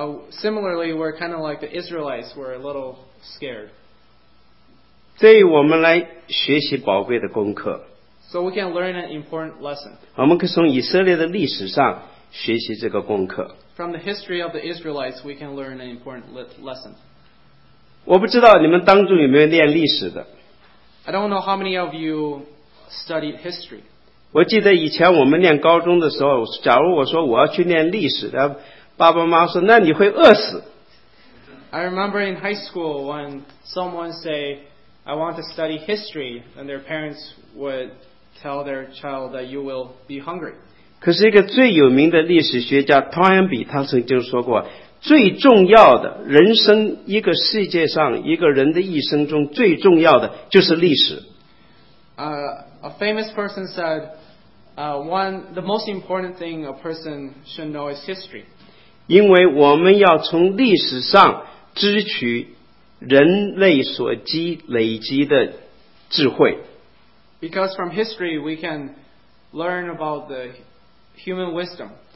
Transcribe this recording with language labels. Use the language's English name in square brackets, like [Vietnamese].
[English] Similarly, we're kind of like the Israelites, we're a little scared. [Chinese] 这我们来学习宝贵的功课。 [English] So we can learn an important lesson. [Chinese] 我们可以从以色列的历史上学习这个功课。 [English] From the history of the Israelites, we can learn an important lesson. [Chinese] 我不知道你们当中有没有念历史的。 [English] I don't know how many of you studied history. [Chinese] 我记得以前我们念高中的时候, 假如我说我要去念历史, 爸爸妈妈说, 那你会饿死。 [English] I remember in high school when someone say, I want to study history, and their parents would tell their child that you will be hungry. [Chinese] 可是一个最有名的历史学家托恩比他曾经说过, 最重要的人生一个世界上一个人的一生中最重要的就是历史。 [English] A famous person said, the most important thing a person should know is history. [Chinese] 因为我们要从历史上支取人类所积累积的智慧。 [English] Because from history, we can learn about the human wisdom.